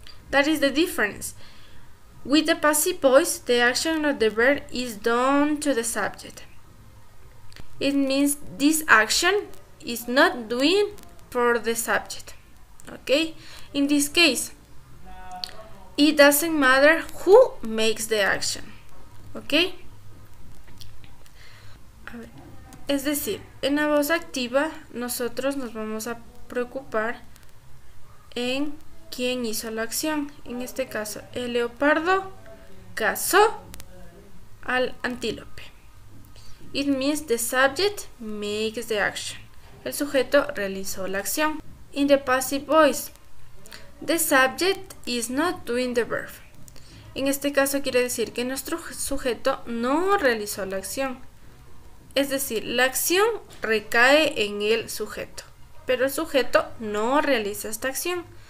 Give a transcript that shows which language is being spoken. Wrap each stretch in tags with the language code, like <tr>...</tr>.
<en>That is the difference. With the passive voice, the action of the verb is done to the subject. It means this action is not doing for the subject, okay? In this case, it doesn't matter who makes the action, okay?</en> <es>Es decir, en la voz activa nosotros nos vamos a preocupar en quién hizo la acción. En este caso, el leopardo cazó al antílope.</es> <en>It means the subject makes the action.</en> <es>El sujeto realizó la acción.</es> <en>In the passive voice, the subject is not doing the verb.</en> <es>En este caso quiere decir que nuestro sujeto no realizó la acción. Es decir, la acción recae en el sujeto, pero el sujeto no realiza esta acción.</es>